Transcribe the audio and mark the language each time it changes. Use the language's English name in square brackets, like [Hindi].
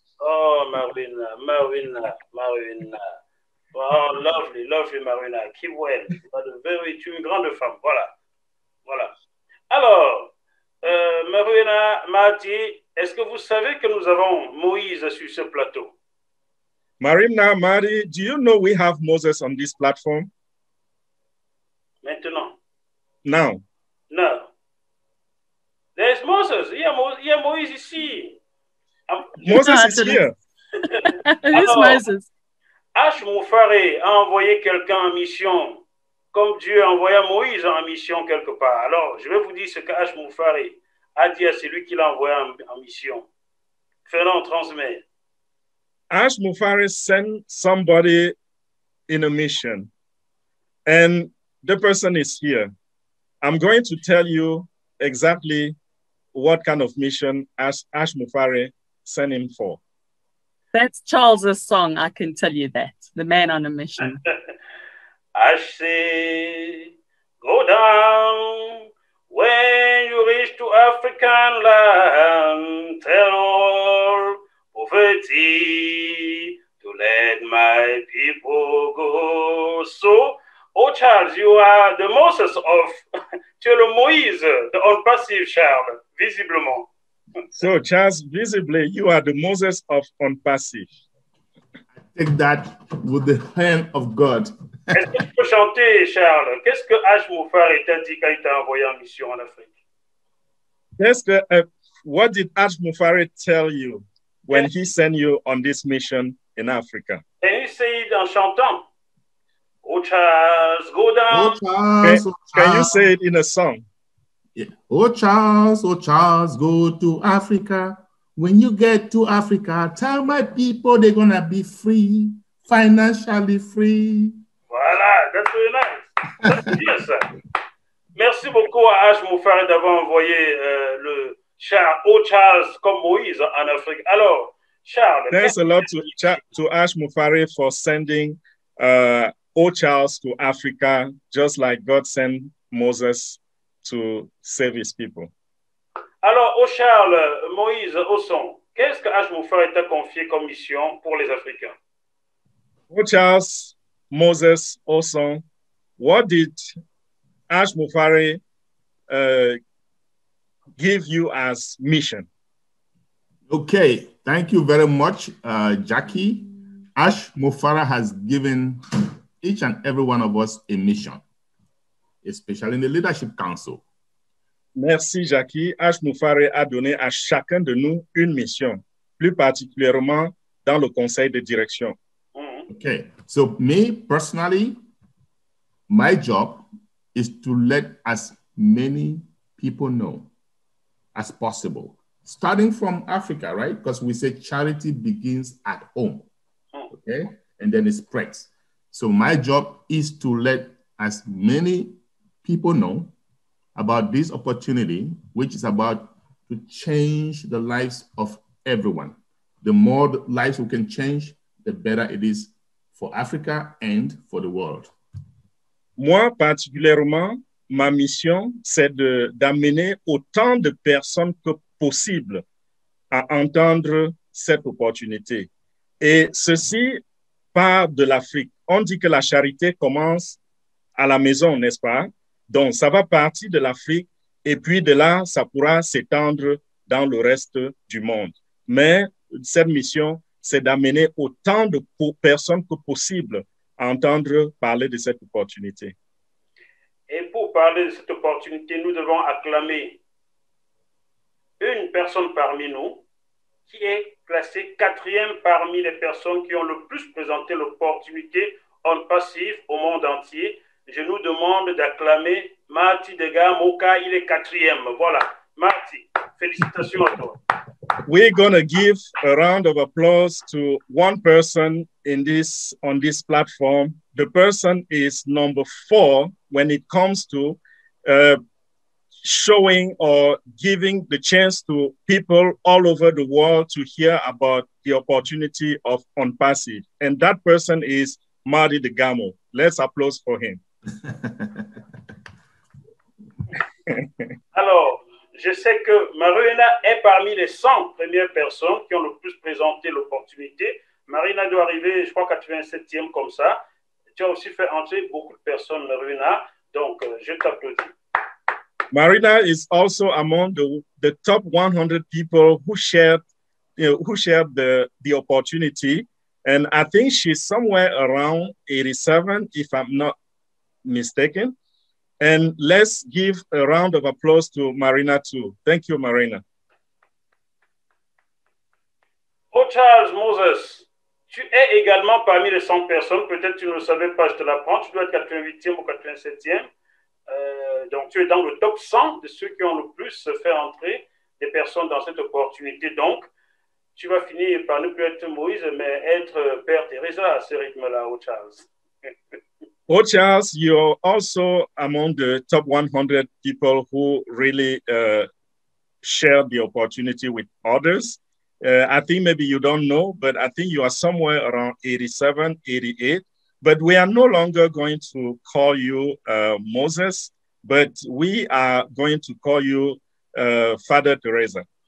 [English] Oh, Marina. Oh, lovely Marina, keep well. [French] Very, tu es une grande femme, voilà. Alors, Marina m'a dit, est-ce que vous savez que nous avons Moïse sur ce plateau? [English] Marina, Marie, do you know we have Moses on this platform? [French] Maintenant. [English] Now. No. There's Moses, [French] il y a Moïse ici. [English] Moses is here. Who's Moses? H. [French] Moufaré a envoyé quelqu'un en mission, comme Dieu a envoyé Moïse en mission quelque part. Alors, je vais vous dire ce que H. Moufaré a dit à celui qui l'a envoyé en mission. Fais-le transmettre. H. [English] Moufaré sent somebody in a mission, and the person is here. I'm going to tell you exactly what kind of mission H. Moufaré sent him for. That's Charles's song, I can tell you that. The man on a mission. I say, go down. When you reach to African land, tell all poverty to let my people go. So, oh Charles, you are the Moses of, [French] tu es le Moïse, [English] the unpassive Charles, visiblement. So, Charles, visibly, you are the Moses of On Passive. I take that with the hand of God. [French] Est-ce que tu peux chanter, Charles? Qu'est-ce que H. Moufaré t'a dit quand il t'a envoyé en mission en Afrique? [English] What did H. Moufaré tell you when he sent you on this mission in Africa? [French] Et il s'est dit en chantant. [English] Oh, Charles, go down. Oh, Charles, can you say it in a song? Yeah. Oh Charles, go to Africa. When you get to Africa, tell my people they're gonna be free, financially free. [French] Voilà, [English] that's really nice. That's [French] bien ça. Merci beaucoup à H. Moufaré d'avoir envoyé le char Oh Charles comme Moïse en Afrique. Alors, Charles. [English] Thanks a lot to H. Moufaré for sending Oh Charles to Africa, just like God sent Moses to save his people. [French] Alors, au Charles, Moïse, au son, qu'est-ce que H. Moufaré t'a confié comme mission pour les Africains? [English] Au Charles, Moses, au son, what did H. Moufaré give you as mission? Okay, thank you very much, Jackie. Ash Mofara has given each and every one of us a mission, especially in the Leadership Council. [French] Merci, Jackie. Ash Mofara a donné à chacun de nous une mission, plus particulièrement dans le conseil de direction. [English] Okay, so me personally, my job is to let as many people know as possible, starting from Africa, right? Because we say charity begins at home, okay? And then it spreads. So my job is to let as many people know about this opportunity, which is about to change the lives of everyone. The more the lives we can change, the better it is for Africa and for the world. [French] Moi, particulièrement, ma mission, c'est d'amener autant de personnes que possible à entendre cette opportunité. Et ceci part de l'Afrique. On dit que la charité commence à la maison, n'est-ce pas? Donc, ça va partir de l'Afrique et puis de là, ça pourra s'étendre dans le reste du monde. Mais cette mission, c'est d'amener autant de personnes que possible à entendre parler de cette opportunité. Et pour parler de cette opportunité, nous devons acclamer une personne parmi nous qui est classée quatrième parmi les personnes qui ont le plus présenté l'opportunité en passif au monde entier. Je nous demande d'acclamer Marty Dega Moka, il est quatrième. Voilà, Marty, félicitations à toi. We're going to give a round of applause to one person on this platform. The person is number four when it comes to showing or giving the chance to people all over the world to hear about the opportunity of OnPassi. And that person is Marty Degamo. Let's applause for him. Alors, je sais que Marina est parmi les 100 premières personnes qui ont le plus présenté l'opportunité. Marina doit arriver, je crois, 87e comme ça. Tu as aussi fait entrer beaucoup de personnes, Marina. Donc, je t'applaudis. [English] Marina is also among the top 100 people who shared the opportunity. And I think she's somewhere around 87, if I'm not mistaken. And let's give a round of applause to Marina too. Thank you, Marina. [French] Oh, Charles Moses, tu es également parmi les 100 personnes. Peut-être tu ne le savais pas, je te l'apprends. Tu dois être 88e ou 87e. Donc, tu es dans le top 100 de ceux qui ont le plus fait entrer des personnes dans cette opportunité. Donc, tu vas finir par ne plus être Moïse, mais être Père Teresa à ce rythme-là, oh, Charles. [English] Oh, Charles, you're also among the top 100 people who really share the opportunity with others. I think maybe you don't know, but I think you are somewhere around 87, 88. But we are no longer going to call you Moses, but we are going to call you Father Teresa.